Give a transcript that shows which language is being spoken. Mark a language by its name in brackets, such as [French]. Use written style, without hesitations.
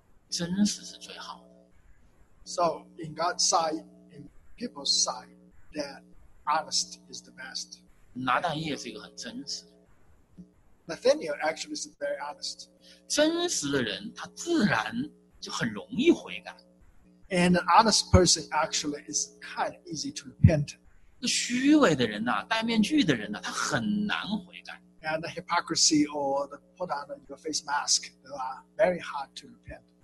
[Chinese] 真实是最好的。 [English] So in God's sight, in people's sight, that honest is the best. [Chinese] 拿但业是一个很真实的。 [English] Nathaniel actually is very honest. [Chinese] 真实的人，他自然就很容易悔改。 [English] And an honest person actually is kind of easy to repent. [Chinese] 虚伪的人呐、啊，戴面具的人呐、啊，他很难悔改。 [English] And the hypocrisy or the put on your face mask are very hard to repent.